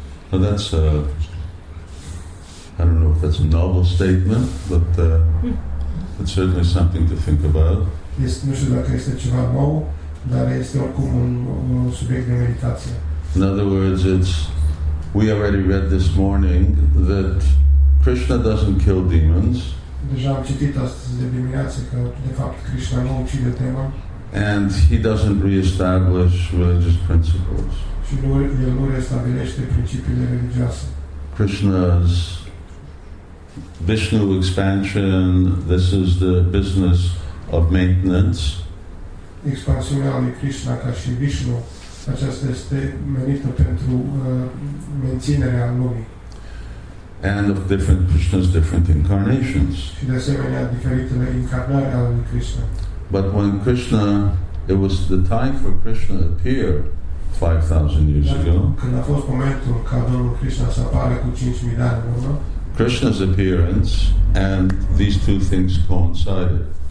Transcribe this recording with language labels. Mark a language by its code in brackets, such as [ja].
[en] Now that's a, I don't know if that's a novel statement, but it's certainly something to think about. [ro] Este, nu știu dacă este ceva nou, dar este oricum un subiect de meditație. [en] In other words, it's, we already read this morning that Krishna doesn't kill demons. [ro] Deja am citit astăzi de dimineață că de fapt Krishna nu ucide demoni. [en] And he doesn't reestablish religious principles. [ro] Și nu, el nu reestabilește principiile religioase. [en] Krishna's Vishnu expansion, this is the business of maintenance. [ro] Expansiunea lui Krishna ca și Vishnu, aceasta este menită pentru menținerea lumii. [en] And of different Krishna's different incarnations. [ro] Și de asemenea diferitele incarnări ale lui Krishna. [en] But when Krishna, it was the time for Krishna to appear 5,000 years ago. [ro] Când a fost momentul ca Domnul Krishna să apară cu 5,000 de ani în urmă. [en] Krishna's appearance and these two things coincided.